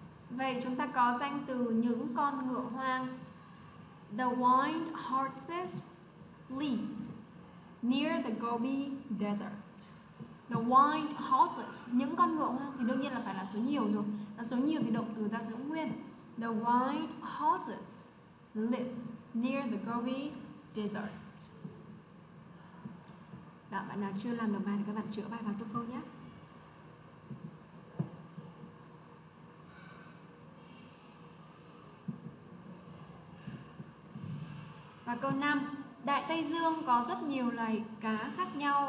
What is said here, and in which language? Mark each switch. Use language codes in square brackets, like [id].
[vi] Vậy chúng ta có danh từ những con ngựa hoang. [en] The wild horses live near the Gobi Desert. The wild horses, [vi] những con ngựa hoang thì đương nhiên là phải là số nhiều rồi. Là số nhiều thì động từ ta giữ nguyên. [en] The wild horses live near the Gobi Desert. [vi] Đó, bạn nào chưa làm được bài thì các bạn chữa bài vào giúp cô nhé. Và câu 5, Đại Tây Dương có rất nhiều loài cá khác nhau.